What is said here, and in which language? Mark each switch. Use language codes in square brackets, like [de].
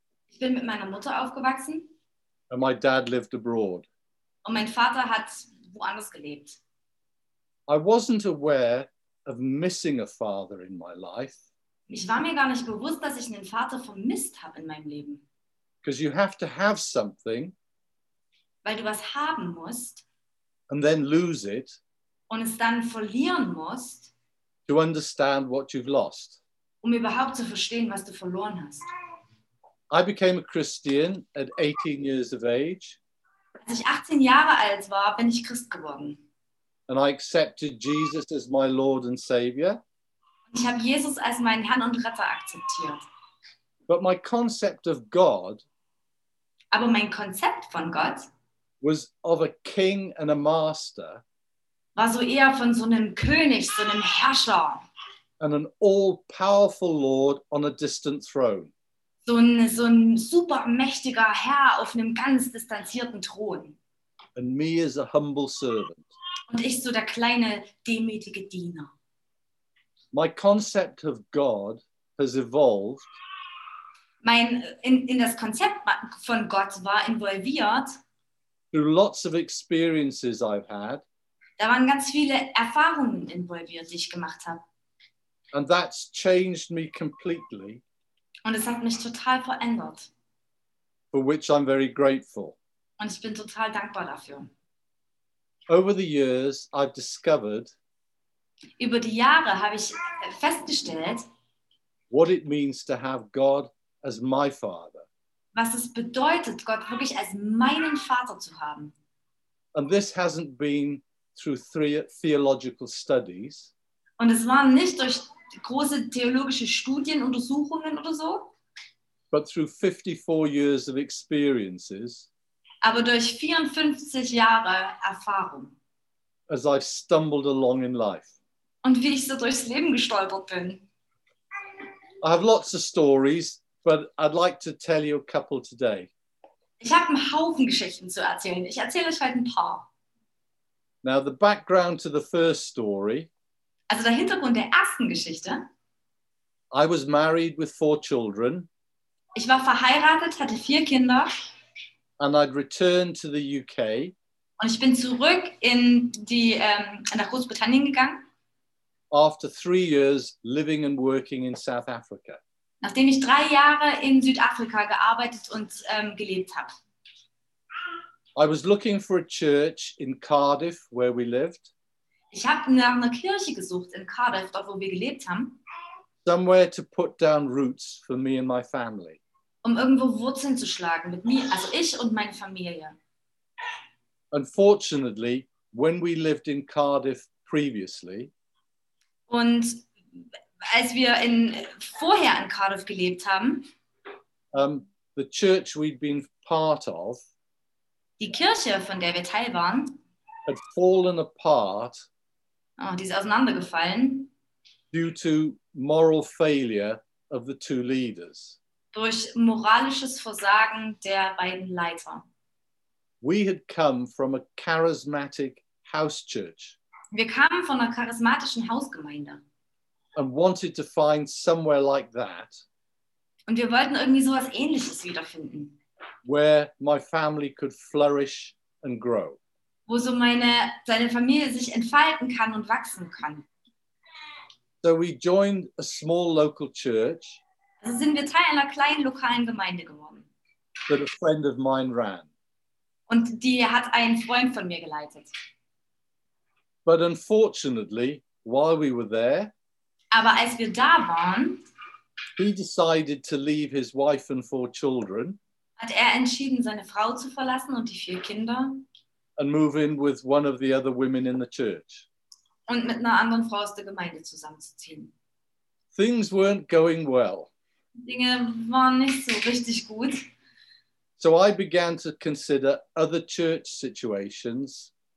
[de] Ich bin mit meiner Mutter aufgewachsen. [en] And my dad lived abroad. [de] Und mein Vater hat woanders gelebt. [en] I wasn't aware of missing a father in my life. [de] Ich war mir gar nicht bewusst, dass ich einen Vater vermisst habe in meinem Leben. [en] Because you have to have something. [de] Weil du was haben musst. [en] And then lose it. [de] Und es dann verlieren musst. [en] To understand what you've lost. [de] Um überhaupt zu verstehen, was du verloren hast. [en] I became a Christian at 18 years of age. [de] Als ich 18 Jahre alt war, bin ich Christ geworden. [en] And I accepted Jesus as my Lord and Savior. [de] Ich habe Jesus als meinen Herrn und Retter akzeptiert. [en] But my concept of God, [de] aber mein Konzept von Gott, [en] was of a king and a master, [de] war so eher von so einem König, so einem Herrscher, [en] and an all-powerful Lord on a distant throne. [de] So ein supermächtiger Herr auf einem ganz distanzierten Thron. [en] And me as a humble servant. [de] Und ich so der kleine, demütige Diener. [en] My concept of God has evolved. [de] In das Konzept von Gott war involviert. [en] Through lots of experiences I've had. [de] Da waren ganz viele Erfahrungen involviert, die ich gemacht habe. [en] And that's changed me completely. [de] Und es hat mich total verändert. [en] For which I'm very grateful. [de] Und ich bin total dankbar dafür. [en] Over the years, I've discovered. [de] Über die Jahre habe ich festgestellt, [en] what it means to have God as my father. [de] Was es bedeutet, Gott wirklich als meinen Vater zu haben. [en] And this hasn't been through 3 theological studies. [de] Und es waren nicht durch große theologische Studien, Untersuchungen oder so. [en] But through 54 years of experiences. [de] Aber durch 54 Jahre Erfahrung. [en] As I've stumbled along in life. [de] Und wie ich so durchs Leben gestolpert bin. [en] I have lots of stories, but I'd like to tell you a couple today. [de] Ich habe einen Haufen Geschichten zu erzählen. Ich erzähle euch heute ein paar. [en] Now the background to the first story. [de] Also der Hintergrund der ersten Geschichte. [en] I was married with 4 children. [de] Ich war verheiratet, hatte 4 Kinder. [en] And I'd returned to the UK. [de] Und ich bin zurück in die nach Großbritannien gegangen. [en] After 3 years living and working in South Africa. [de] Nachdem ich 3 Jahre in Südafrika gearbeitet und gelebt habe. [en] I was looking for a church in Cardiff, where we lived. [de] Ich habe nach einer Kirche gesucht in Cardiff, dort wo wir gelebt haben. [en] Somewhere to put down roots for me and my family. [de] Um irgendwo Wurzeln zu schlagen mit mir, also ich und meine Familie. [en] Unfortunately, when we lived in Cardiff previously. [de] Und als wir vorher in Cardiff gelebt haben. [en] The church we'd been part of. [de] Die Kirche, von der wir Teil waren. [en] Had fallen apart. [de] Oh, die ist auseinandergefallen. [en] Due to moral failure of the 2 leaders. [de] Durch moralisches Versagen der beiden Leiter. [en] We had come from a charismatic house church. [de] Wir kamen von einer charismatischen Hausgemeinde. [en] And wanted to find somewhere like that. [de] Und wir wollten irgendwie sowas Ähnliches wiederfinden. [en] Where my family could flourish and grow. [de] Wo so seine Familie sich entfalten kann und wachsen kann. [en] So we joined a small local church. [de] Also sind wir Teil einer kleinen lokalen Gemeinde geworden. [en] That a friend of mine ran. [de] Und die hat einen Freund von mir geleitet. [en] But unfortunately, while we were there, [de] aber als wir da waren, [en] he decided to leave his wife and 4 children. [de] Hat er entschieden, seine Frau zu verlassen und die 4 Kinder. [en] And move in with one of the other women in the church. [de] Und mit einer anderen Frau aus der Gemeinde zusammenzuziehen. [en] Things weren't going well. [de] Dinge waren nicht so richtig gut. [en] So I began to consider other church situations.